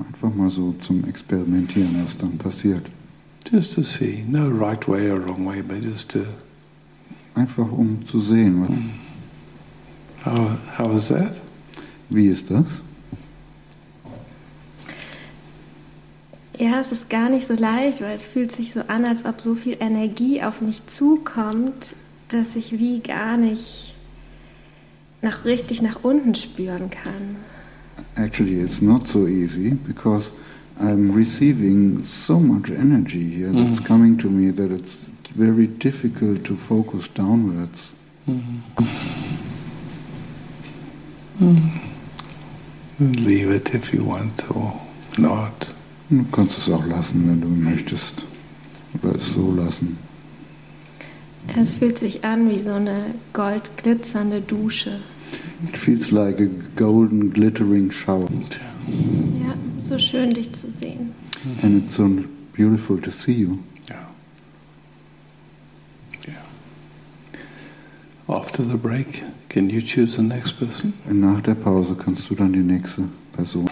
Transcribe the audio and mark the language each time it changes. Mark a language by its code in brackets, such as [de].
[de] Einfach mal so zum Experimentieren, was dann passiert. [en] Just to see. No right way or wrong way, but just to... [de] Einfach um zu sehen. Was [en] How is that? [de] Wie ist das? Ja, es ist gar nicht so leicht, weil es fühlt sich so an, als ob so viel Energie auf mich zukommt, dass ich wie gar nicht noch richtig nach unten spüren kann. [en] Actually, it's not so easy, because I'm receiving so much energy here that's coming to me that it's very difficult to focus downwards. Leave it if you want or not. [de] Du kannst es auch lassen, wenn du möchtest. Oder es so lassen. Es fühlt sich an wie so eine goldglitzernde Dusche. [en] It feels like a golden glittering shower. [de] Ja, so schön, dich zu sehen. [en] And it's so beautiful to see you. Yeah. Yeah. After the break, can you choose the next person? [de] Und nach der Pause kannst du dann die nächste Person.